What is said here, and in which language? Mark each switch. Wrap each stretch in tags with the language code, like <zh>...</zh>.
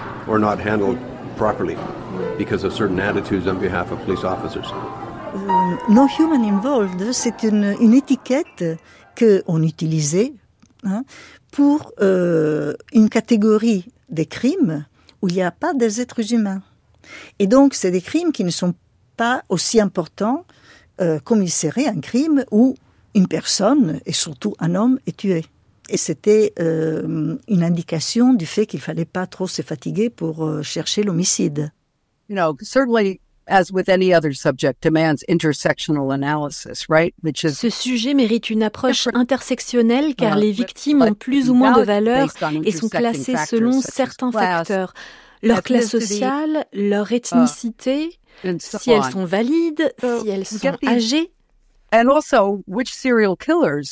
<en>Or not handled properly because of certain attitudes on behalf of police officers. No human involved,</en> <fr>c'est une étiquette qu'on utilisait pour une catégorie des crimes où il n'y a pas des êtres humains. Et donc, c'est des crimes qui ne sont pas aussi importants comme il serait un crime où une personne, et surtout un homme, est tué. Et c'était une indication du fait qu'il ne fallait pas trop se fatiguer pour chercher l'homicide.</fr> <en>You know, certainly, as with any other subject, demands intersectional analysis, right? Which is...</en> <fr>Ce sujet mérite une approche intersectionnelle car les victimes ont plus ou moins de valeur et sont classées selon certains facteurs. Leur classe sociale, leur ethnicité, si elles sont valides, si elles sont âgées.</fr> <en>And also, which serial killers</en>